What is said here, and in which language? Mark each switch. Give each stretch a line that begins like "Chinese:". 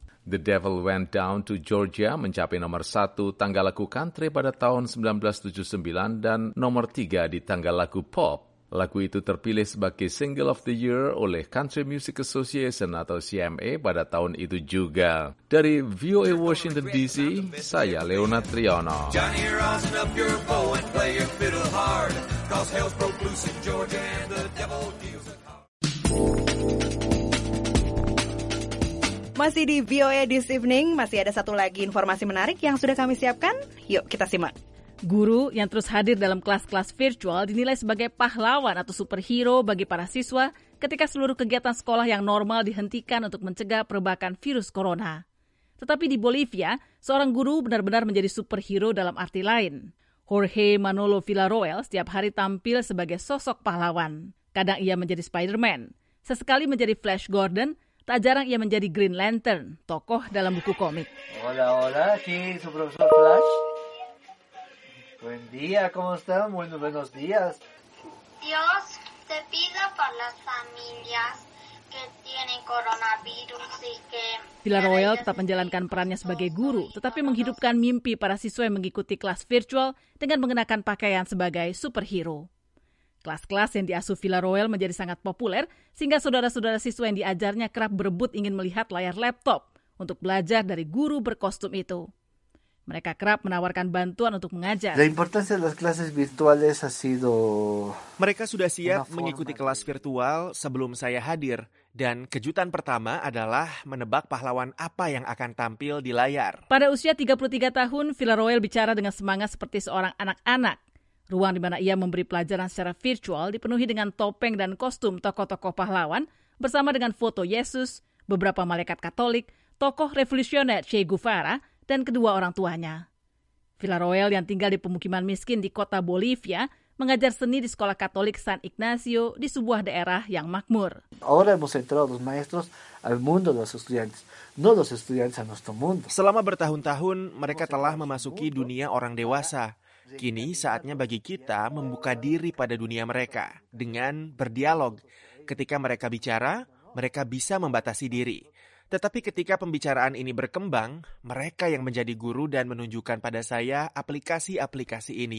Indonesian: The Devil Went Down to Georgia mencapai nomor 1 tangga lagu country pada tahun 1979 dan nomor 3 di tangga lagu pop. Lagu itu terpilih sebagai Single of the Year oleh Country Music Association atau CMA pada tahun itu juga. Dari VOA Washington DC, saya Leonard Triano.
English: Johnny, rise up your bow and play your fiddle hard, 'cause hell's broke loose in Georgia and the devil deals a card.
Indonesian: Masih di VOA This Evening, masih ada satu lagi informasi menarik yang sudah kami siapkan. Yuk kita simak. Guru yang terus hadir dalam kelas-kelas virtual dinilai sebagai pahlawan atau superhero bagi para siswa ketika seluruh kegiatan sekolah yang normal dihentikan untuk mencegah perebakan virus corona. Tetapi di Bolivia, seorang guru benar-benar menjadi superhero dalam arti lain. Jorge Manolo Villarroel setiap hari tampil sebagai sosok pahlawan. Kadang ia menjadi Spider-Man, sesekali menjadi Flash Gordon, tak jarang ia menjadi Green Lantern, tokoh dalam buku komik.
Spanish: Hola, hola, aquí su profesor Flash. Buen día, ¿cómo está? Muy buenos días. Dios, te pido por las familias que tienen coronavirus y que...
Indonesian: Pilar Royal tetap menjalankan perannya sebagai guru, tetapi menghidupkan mimpi para siswa yang mengikuti kelas virtual dengan mengenakan pakaian sebagai superhero. Kelas-kelas yang diasuh Villarroel menjadi sangat populer, sehingga saudara-saudara siswa yang diajarnya kerap berebut ingin melihat layar laptop untuk belajar dari guru berkostum itu. Mereka kerap menawarkan bantuan untuk mengajar.
Spanish: La importancia de las clases virtuales ha sido...
Indonesian: Mereka sudah siap mengikuti kelas virtual sebelum saya hadir, dan kejutan pertama adalah menebak pahlawan apa yang akan tampil di layar. Pada usia 33 tahun, Villarroel bicara dengan semangat seperti seorang anak-anak. Ruang di mana ia memberi pelajaran secara virtual dipenuhi dengan topeng dan kostum tokoh-tokoh pahlawan bersama dengan foto Yesus, beberapa malaikat Katolik, tokoh revolusioner Che Guevara, dan kedua orang tuanya. Villarroel yang tinggal di pemukiman miskin di kota Bolivia mengajar seni di sekolah Katolik San Ignacio di sebuah daerah yang makmur.
Spanish: Ahora hemos entrado los maestros al mundo de los estudiantes, no los estudiantes a nuestro mundo.
Indonesian: Selama bertahun-tahun, mereka telah memasuki dunia orang dewasa. Kini saatnya bagi kita membuka diri pada dunia mereka dengan berdialog. Ketika mereka bicara, mereka bisa membatasi diri. Tetapi ketika pembicaraan ini berkembang, mereka yang menjadi guru dan menunjukkan pada saya aplikasi-aplikasi ini.